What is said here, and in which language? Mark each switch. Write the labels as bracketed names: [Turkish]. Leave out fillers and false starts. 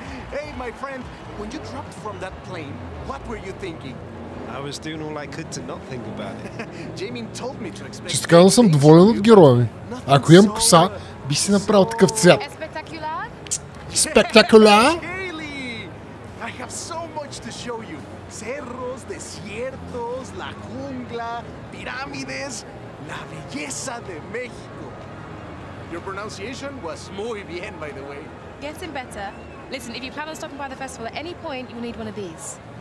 [English] Hey, my friend, when you dropped from that plane, what were you thinking? I was doing all I could to not think about it. Jamie told me to expect. [Bulgarian] Чисто казвам, съм доволен от героя ми. Ако имам коса, би си направил такъв цвят. Спектакуляр. [English] Hayley, I have so much to show you. [Spanish] Cerros, desiertos, la jungla, pirámides, la belleza de México. [English] Your pronunciation was [Spanish] muy bien, [English] by the way. Getting better. Listen, if you plan on stopping by the festival at any point, you'll need one of these.